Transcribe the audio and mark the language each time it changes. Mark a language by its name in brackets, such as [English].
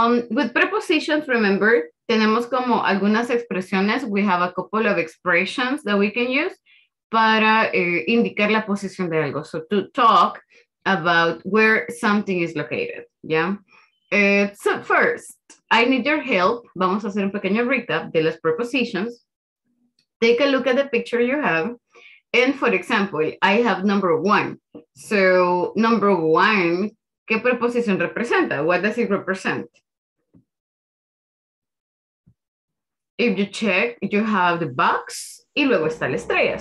[English] With prepositions, remember, [Spanish] tenemos como algunas expresiones. [English] We have a couple of expressions that we can use [Spanish] para indicar la posición de algo. [English] So to talk about where something is located, yeah? So first, I need your help. [Spanish] Vamos a hacer un pequeño recap de las prepositions. [English] Take a look at the picture you have. And for example, I have number one. So number one, [Spanish] ¿qué preposición representa? [English] What does it represent? If you check, you have the box [Spanish] y luego está la estrella.